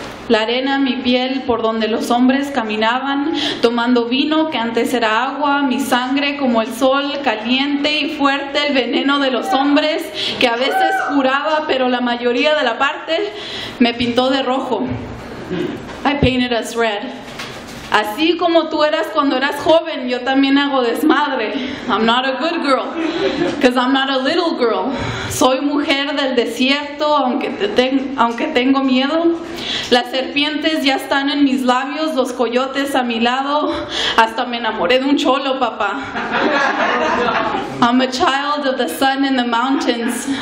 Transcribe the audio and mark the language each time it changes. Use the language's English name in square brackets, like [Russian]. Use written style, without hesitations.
[Spanish] La arena, mi piel, por donde los hombres caminaban, tomando vino que antes era agua, mi sangre como el sol, caliente y fuerte, el veneno de los hombres, que a veces curaba, pero la mayoría de la parte me pintó de rojo. [English] I painted us red. [Spanish] Así como tú eras cuando eras joven, yo también hago desmadre. [English] I'm not a good girl, because I'm not a little girl. [Spanish] Soy mujer del desierto, aunque tengo miedo. Las serpientes ya están en mis labios, los coyotes a mi lado. Hasta me enamoré de un cholo, papá. [English] I'm a child of the sun and the mountains.